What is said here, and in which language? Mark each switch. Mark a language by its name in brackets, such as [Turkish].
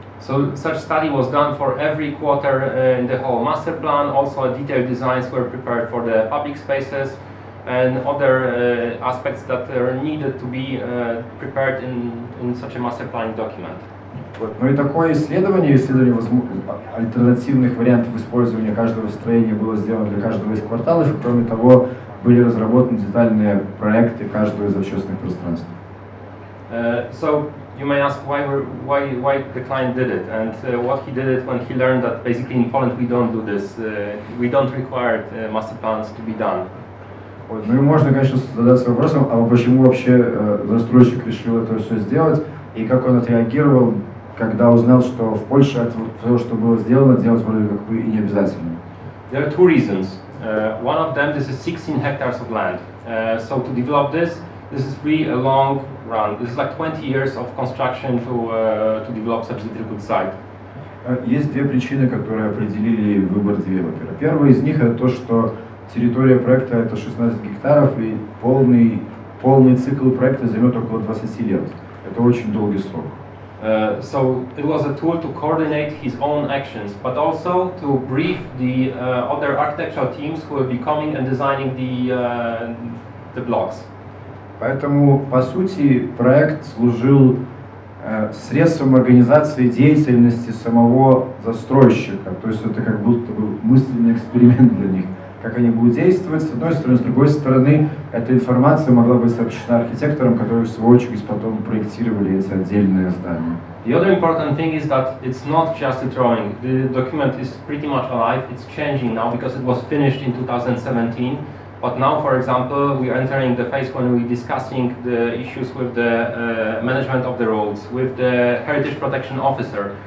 [English] So such study was done for every quarter in the whole master plan. Also detailed designs were prepared for the public spaces and other aspects that are needed to be prepared in such a master plan document. [Russian] Вот. Ну и такое исследование альтернативных вариантов использования каждого строения было сделано для каждого из кварталов, кроме того, были разработаны детальные проекты каждого из общественных пространств. [English] So you may ask why the client did it and what he did it when he learned that basically in Poland we don't do this, we don't require master plans to be done. [Russian] Вот. Ну и можно, конечно, задаться вопросом, а почему вообще застройщик решил это все сделать и как он отреагировал, когда узнал, что в Польше то, что было сделано, делать вроде как бы и не обязательно. [English] There are two reasons. One of them, this is 16 hectares of land. So to develop this, this is really a long run. This is like 20 years of construction to develop such a difficult site. [Russian] Есть две причины, которые определили выбор девелопера. Первая из них это то, что территория проекта это 16 гектаров, и полный цикл проекта займет около 20 лет. Это очень долгий срок. [English] So it was a tool to coordinate his own actions, but also to brief the other architectural teams who will be coming and designing the blocks. [Russian] Поэтому, по сути, проект служил средством организации деятельности самого застройщика. То есть это как будто бы мысленный эксперимент для них, как они будут действовать. С одной стороны, с другой стороны, эта информация могла быть сообщена архитекторам, которые в свою очередь потом проектировали эти отдельные здания. [English] The other important thing is that it's not just a drawing. The document is pretty much alive. It's changing now because it was finished in 2017. But now, for example, we are entering the phase when we're discussing the issues with the management of the roads, with the heritage protection officer.